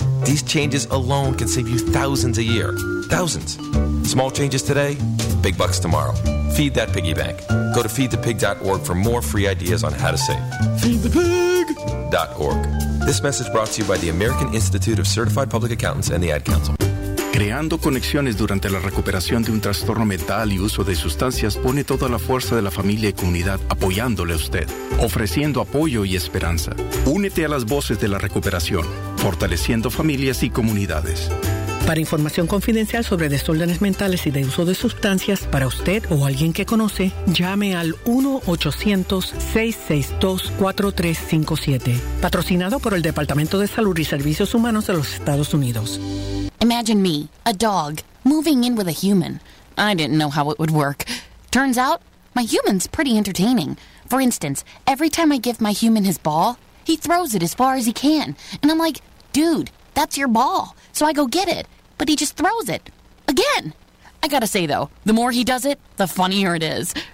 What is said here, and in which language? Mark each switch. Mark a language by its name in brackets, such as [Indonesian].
[English] These changes alone can save you thousands a year. Thousands. Small changes today, big bucks tomorrow. Feed that piggy bank. Go to feedthepig.org for more free ideas on how to save. Feedthepig.org. This message brought to you by the American Institute of Certified Public Accountants and the Ad Council. [Spanish] Creando conexiones durante la recuperación de un trastorno mental y uso de sustancias pone toda la fuerza de la familia y comunidad apoyándole a usted, ofreciendo apoyo y esperanza. Únete a las voces de la recuperación, fortaleciendo familias y comunidades. Para información confidencial sobre desórdenes mentales y de uso de sustancias para usted o alguien que conoce, llame al 1-800-662-4357. Patrocinado por el Departamento de Salud y Servicios Humanos de los Estados Unidos. [English] Imagine me, a dog, moving in with a human. I didn't know how it would work. Turns out, my human's pretty entertaining. For instance, every time I give my human his ball, he throws it as far as he can. And I'm like, dude, that's your ball. So I go get it, but he just throws it. Again! I gotta say, though, the more he does it, the funnier it is.